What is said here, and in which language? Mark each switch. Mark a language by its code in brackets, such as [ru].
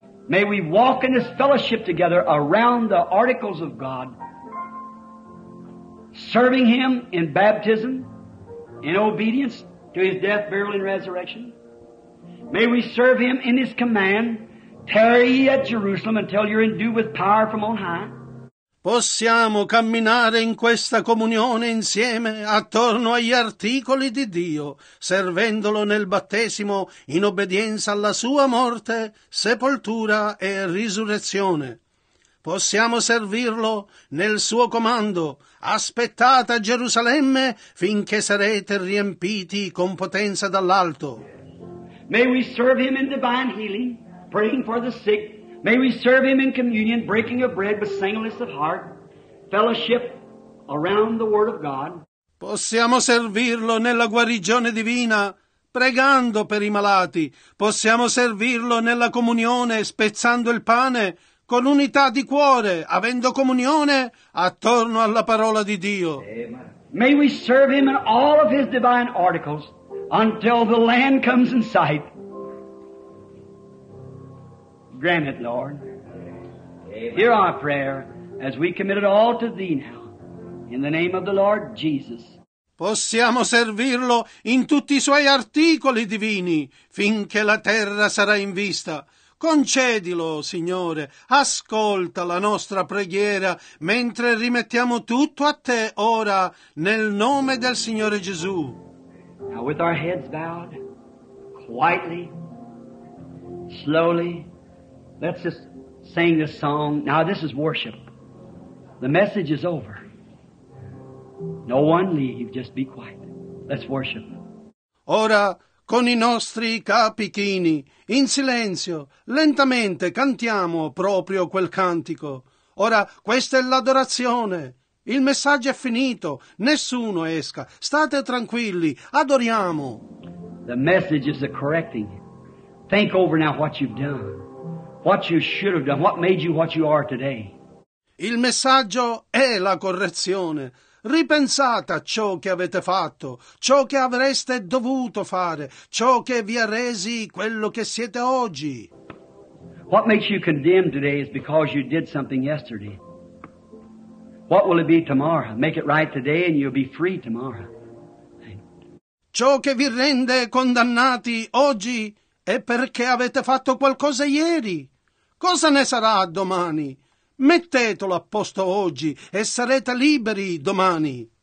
[en] May we walk in this fellowship together around the articles of God. Serving him in baptism, in obedience to his death, burial, and resurrection. May we serve him in his command, tarry ye at Jerusalem until you're endued with power from on high. [it] Possiamo camminare in questa comunione insieme attorno agli articoli di Dio, servendolo nel battesimo in obbedienza alla sua morte, sepoltura e risurrezione. Possiamo servirlo nel suo comando, aspettate a Gerusalemme finché sarete riempiti con potenza dall'alto. [en] May we serve him in divine healing, praying for the sick. May we serve him in communion, breaking of bread with singleness of heart, fellowship around the word of God. [it] Possiamo servirlo nella guarigione divina, pregando per i malati. Possiamo servirlo nella comunione, spezzando il pane, con unità di cuore, avendo comunione attorno alla parola di Dio. [en] May we serve him in all of his divine articles until the land comes in sight. Grant it, Lord. Amen. Hear our prayer as we commit it all to thee now, in the name of the Lord Jesus. [it] Possiamo servirlo in tutti i suoi articoli divini finché la terra sarà in vista. Concedilo, Signore, ascolta la nostra preghiera mentre rimettiamo tutto a te ora nel nome del Signore Gesù. [en] Now with our heads bowed, quietly, slowly, let's just sing this song. Now this is worship. The message is over. No one leave, just be quiet. Let's worship. [it] Ora, con i nostri capi chini, in silenzio, lentamente cantiamo proprio quel cantico. Ora, questa è l'adorazione. Il messaggio è finito. Nessuno esca. State tranquilli. Adoriamo. [en] The message is the correcting. Think over now what you've done. What you should have done. What made you what you are today. [it] Il messaggio è la correzione. Ripensate a ciò che avete fatto, ciò che avreste dovuto fare, ciò che vi ha resi quello che siete oggi. [en] What makes you condemned today is because you did something yesterday. What will it be tomorrow? Make it right today and you'll be free tomorrow. [it] Ciò che vi rende condannati oggi è perché avete fatto qualcosa ieri. Cosa ne sarà domani? Mettetelo a posto oggi e sarete liberi domani.